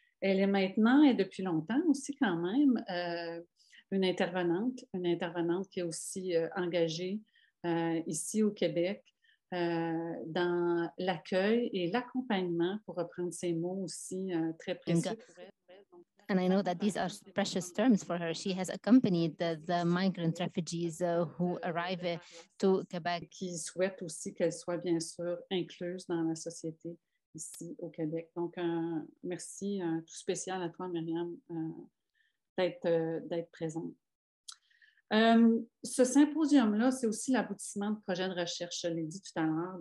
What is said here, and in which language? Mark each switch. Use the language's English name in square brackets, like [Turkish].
[French] Elle est maintenant, et depuis longtemps aussi quand même, une intervenante qui est aussi engagée ici au Québec dans l'accueil et l'accompagnement, pour reprendre ces mots aussi très précieux pour elle. [English] And I know that these are precious terms for her. She has accompanied the migrant refugees who arrive to Quebec. [French] Qui souhaite aussi qu'elle soit bien sûr incluse dans la société ici au Québec. Donc, merci tout spécial à toi, Myriam, d'être présente. Ce symposium-là, c'est aussi l'aboutissement de projets de recherche, je l'ai dit tout à l'heure.